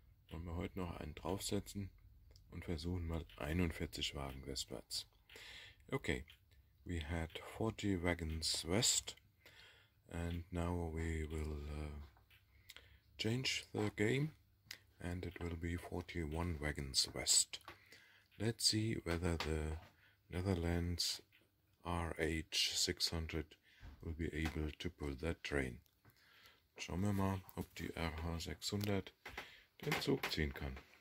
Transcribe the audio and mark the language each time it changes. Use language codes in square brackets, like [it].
[de] Wollen wir heute noch einen draufsetzen und versuchen mal 41 Wagen westwärts. [en] Okay, we had 40 wagons west and now we will change the game and it will be 41 wagons west. Let's see whether the Netherlands RH 600 will be able to pull that train. [de] Schauen wir mal, ob die RH 600 den Zug ziehen kann.